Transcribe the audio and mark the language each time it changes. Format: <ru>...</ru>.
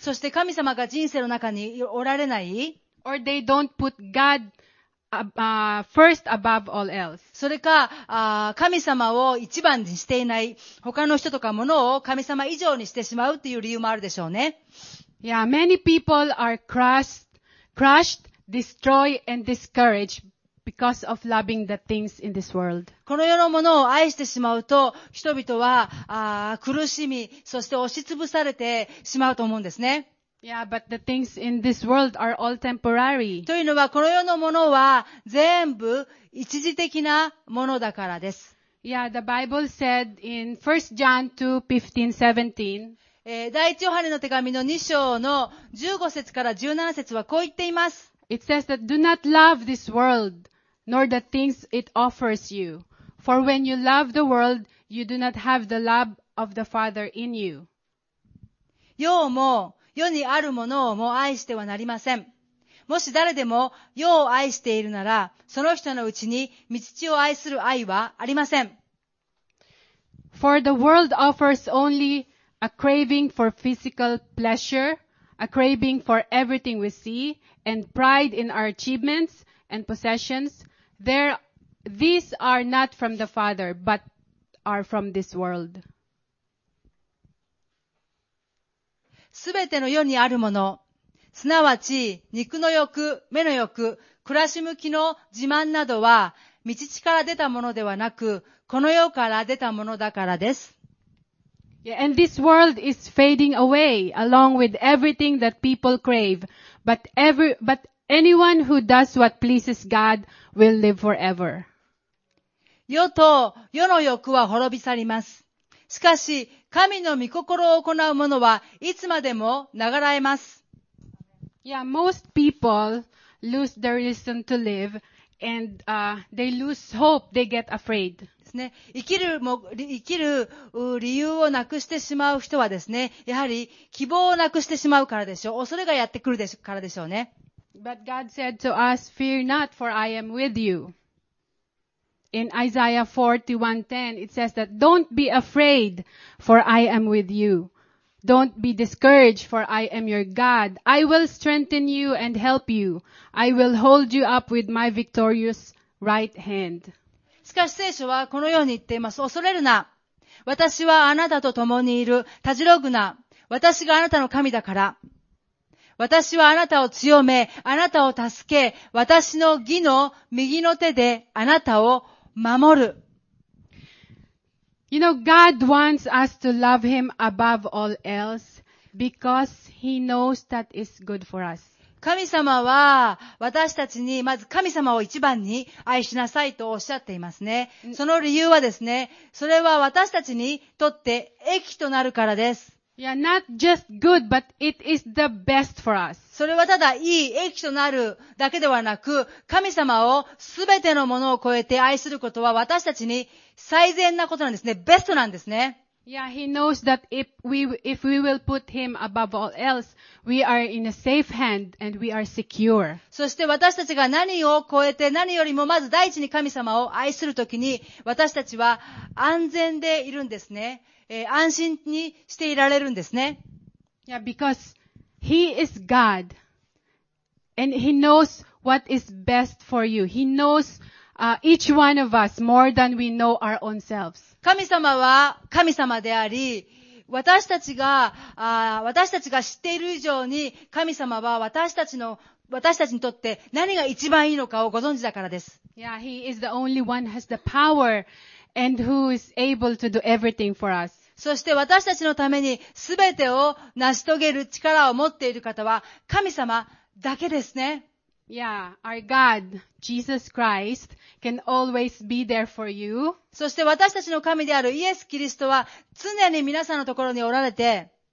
<ja>そして神様が人生の中におられない。</ja> <en>Or they don't put God, first above all else.</en> <ja>それか、神様を一番にしていない。他の人とか物を神様以上にしてしまうっていう理由もあるでしょうね。</ja> <en>Yeah, many people are crushed, destroyed, and discouraged. Because of loving the things in this world.</en> <ja>この世のものを愛してしまうと、人々は苦しみ、そして押しつぶされてしまうと思うんですね。</ja> <en>Yeah, but the things in this world are all temporary.</en> <ja>というのは、この世のものは全部一時的なものだからです。</ja> <en>Yeah, the Bible said in 1 John 2, 15, 17,</en> <ja>第1ヨハネの手紙の2章の15節から17節はこう言っています。</ja> <en>It says that do not love this world, nor the things it offers you. For when you love the world, you do not have the love of the Father in you.</en> <ja>世も、世にあるものをも愛してはなりません。もし誰でも世を愛しているなら、その人のうちに御父を愛する愛はありません。</ja> <en>For the world offers only a craving for physical pleasure, a craving for everything we see,And pride in our achievements and possessions, these are not from the Father, but are from this world.</en> <ja>すべての世にあるもの、すなわち肉の欲、目の欲、暮らし向きの自慢などは、道地から出たものではなく、この世から出たものだからです。</ja> <en>Yeah, and this world is fading away along with everything that people crave. But anyone who does what pleases God will live forever.</en> <ja>世と世の欲は滅び去ります。しかし、神の御心を行う者はいつまでも長らえます。</ja> <en>Yeah, most people lose their reason to live and, they lose hope, they get afraid.</en> <ja>ですね。生きる理由をなくしてしまう人はですね、やはり希望をなくしてしまうからでしょう。恐れがやってくるからでしょうね。</ja> <en>But God said to us, fear not, for I am with you. In Isaiah 41:10, it says that, Don't be afraid, for I am with you. Don't be discouraged, for I am your God. I will strengthen you and help you. I will hold you up with my victorious right hand.</en> <ja>しかし聖書はこのように言っています。恐れるな。私はあなたと共にいる。たじろぐな。私があなたの神だから。私はあなたを強め、あなたを助け、私の義の右の手であなたを守る。</ja> <en>You know, God wants us to love Him above all else because He knows that is good for us.</en> <ja>神様は私たちにまず神様を一番に愛しなさいとおっしゃっていますね。その理由はですね、それは私たちにとって益となるからです。</ja> <en>Yeah, not just good, but it is the best for us.</en> <ja>それはただいい益となるだけではなく、神様をすべてのものを超えて愛することは私たちに最善なことなんですね。ベストなんですね。</ja> <en>Yeah, he knows that if we will put him above all else, we are in a safe hand and we are secure.</en> <ja>そして私たちが何を超えて何よりもまず第一に神様を愛するときに、私たちは安全でいるんですね。安心にしていられるんですね。</ja> <en>Yeah, because He is God. And He knows what is best for you. He knows, each one of us more than we know our own selves.</en> <ja>神様は神様であり、私たちが知っている以上に、神様は私たちにとって何が一番いいのかをご存知だからです。</ja> <en>Yeah, He is the only one who has the power and who is able to do everything for us.</en> <ja>そして私たちのためにすべてを成し遂げる力を持っている方は神様だけですね。</ja> <en>Yeah, our God, Jesus Christ, can always be there for you.</en> <ja>そして私たちの神であるイエス・キリストは常に皆さんのところにおられて、</ja>